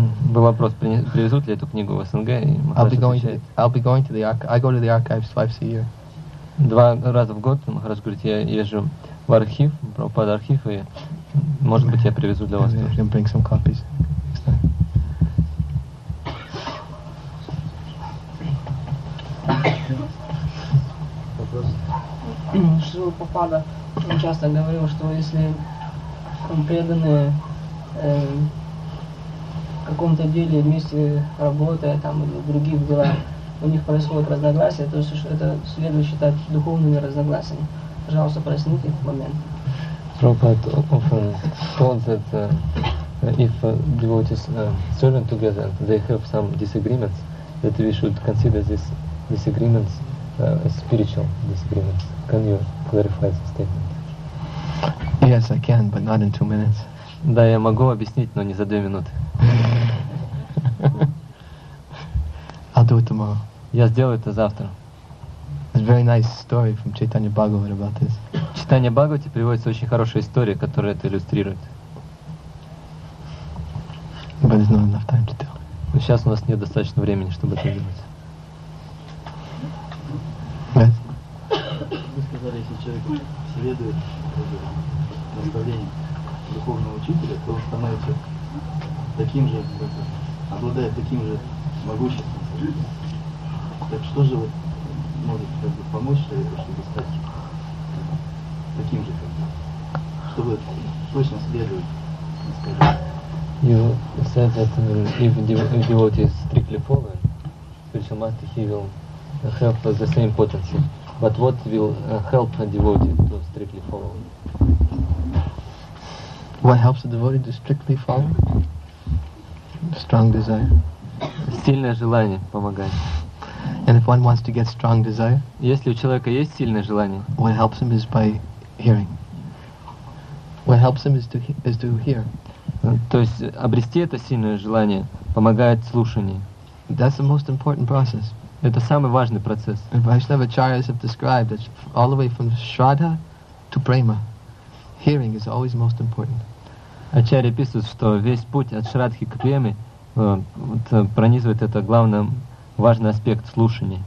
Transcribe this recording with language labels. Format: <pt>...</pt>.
<ru>Был вопрос, привезут ли эту книгу в СНГ, и</ru> <en>I'll be going to the I go to the archives twice a year.</en> <ru>Два раза в год, Махарадж говорит, я езжу в архив, Прабхупада архив, и, может быть, я привезу для вас.</ru> <en>Maybe</en> <ru>тоже.</ru> <en>I can bring some copies.</en> <ru>Шрила Прабхупада часто говорил, что если преданные в каком-то деле вместе работая там или в других делах, у них происходят разногласия, то есть это следует считать духовными разногласиями. Пожалуйста, проясните этот момент.</ru> <en>Prabhupada often thought that if devotees serving together, they have some disagreements, that we should consider this disagreements as spiritual disagreements. Can you clarify the statement? Yes, I can, but not in 2 minutes.</en> <ru>Да, я могу объяснить, но не за 2 минуты.</ru> <en>I'll do it tomorrow.</en> <ru>Я сделаю это завтра.</ru> <en>It's a very nice story from Chaitanya Bhagavat about this.</en> <ru>Читание Бхагавати приводится очень хорошая история, которая это иллюстрирует.</ru> <en>But it's not enough time to tell.</en> <ru>Но сейчас у нас нет достаточно времени, чтобы это делать. Вы сказали, если человек следует наставлению духовного учителя, то он становится таким же, обладает таким же могуществом. Так что же вот может помочь человеку, чтобы стать таким же, чтобы точно следовать, скажем?</ru> <en>You said that if devotee is strictly following spiritual master, he will have the same potency. But what will help a devotee to strictly follow? What helps a devotee to strictly follow? Strong desire.</en> <ru>Сильное желание помогает.</ru> <en>And if one wants to get strong desire,</en> <ru>если у человека есть сильное желание,</ru> <en>what helps him is by hearing. What helps him is to hear.</en> <ru>То есть обрести это сильное желание помогает слушание.</ru> <en>That's the most important process.</en> <ru>Это самый важный процесс.</ru> <en>Vaishnava acharyas have described that all the way from shraddha to prema, hearing is always most important.</en> <ru>Ачарьи пишут, что весь путь от шрадхи к преме пронизывает это главным важный аспект слушания.</ru>